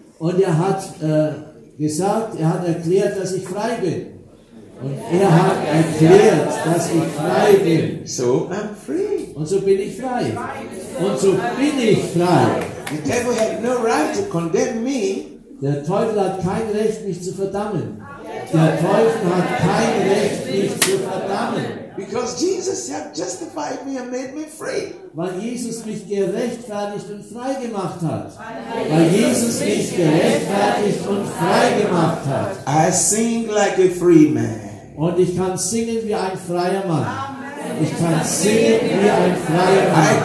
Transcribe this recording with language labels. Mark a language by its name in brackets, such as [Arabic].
[German] Und er hat gesagt, er hat erklärt, dass ich frei bin. Und er hat erklärt, dass ich frei bin. [English] So I'm free. [German] Und so bin ich frei. Und so bin ich frei. [English] The devil had no right to condemn me. [German] Der Teufel hat kein Recht, mich zu verdammen. Der Teufel hat kein Recht, mich zu verdammen. [English] Because Jesus had justified me and made me free. [German] Weil Jesus mich gerechtfertigt und frei gemacht hat. Weil Jesus mich gerechtfertigt und frei gemacht hat. [English] I sing like a free man. [German] Und ich kann singen wie ein freier Mann. Ich kann singen wie ein freier Mann.